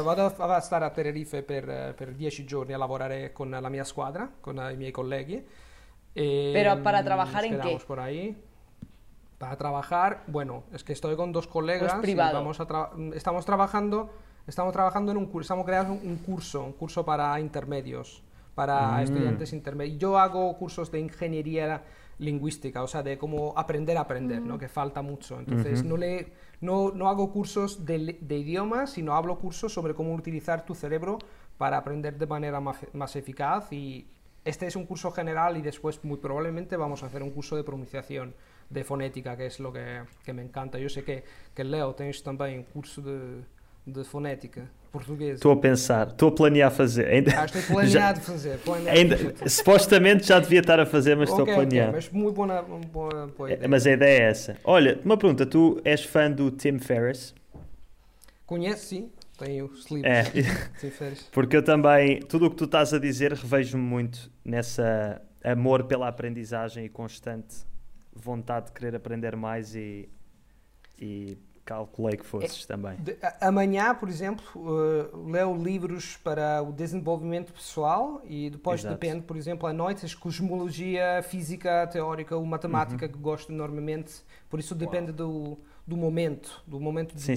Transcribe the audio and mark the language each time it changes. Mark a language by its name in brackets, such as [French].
[Italian] Vado a stare a Tenerife per 10 giorni a lavorare con la mia squadra, con i miei colleghi. Però per lavorare in che? Speriamo [Spanish] por ahí. Para trabajar, bueno, es que estoy con 2 colegas, estamos creando un curso para intermedios, para estudiantes intermedios. Yo hago cursos de ingeniería lingüística, o sea, de cómo aprender, ¿no? Que falta mucho. Entonces, no hago cursos de idiomas, sino hablo cursos sobre cómo utilizar tu cerebro para aprender de manera más eficaz. Y este es un curso general y después muy probablemente vamos a hacer un curso de pronunciación. De fonética, que es lo que me encanta. Yo sé que Leo, tienes también un curso de fonética portuguesa. Estoy a pensar, estoy a planear hacer. Estoy planeado hacer. Supuestamente ya debía estar a hacer, pero estoy a planear. Ok, pero es muy buena idea. [Portuguese] Mas a idea es esa. Olha, [Spanish] una pregunta, ¿tú eres [Portuguese] fã do [Spanish] Tim Ferriss? [Portuguese] Conheço, sim. Tenho Sleep. Tim Ferriss. Porque eu também, tudo o que tu estás a dizer, revejo-me muito nessa amor pela aprendizagem e constante vontade de querer aprender mais e calculei que fosses também. Amanhã, por exemplo, leio livros para o desenvolvimento pessoal e depois depende, por exemplo, à noite, as cosmologia, física, teórica ou matemática, que gosto enormemente, por isso depende do momento do dia.